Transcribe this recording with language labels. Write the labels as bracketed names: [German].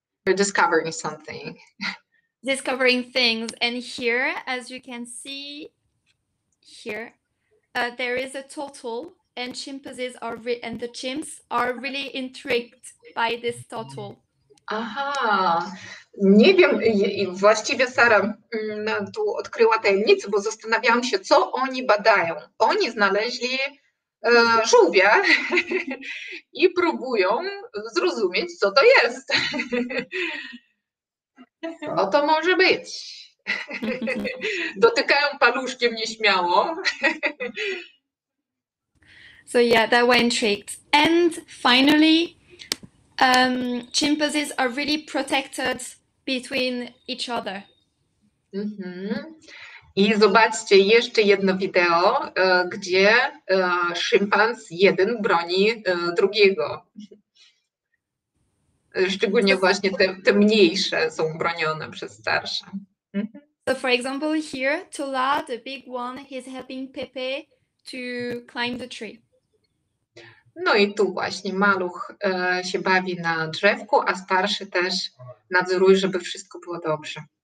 [English] They're discovering something. Discovering things. And here, as you can see here, there is a turtle and chimpanzees are and the chimps are really intrigued by this turtle. [Polish] Aha, nie wiem, właściwie Sara tu odkryła tajemnicę, bo zastanawiałam się, co oni badają. Oni znaleźli żółwia i próbują zrozumieć, co to jest. No to może być. Dotykają paluszkiem nieśmiało. [English] So yeah, that was intrigued. And finally... chimpanzees are really protected between each other. Mm-hmm. [Polish] I zobaczcie jeszcze jedno wideo, gdzie szympans jeden broni drugiego. Szczególnie właśnie te mniejsze są bronione przez starsze. Mm-hmm. [English] So for example here, Tula, the big one, he's helping Pepe to climb the tree. [Polish] No i tu właśnie maluch się bawi na drzewku, a starszy też nadzoruje, żeby wszystko było dobrze.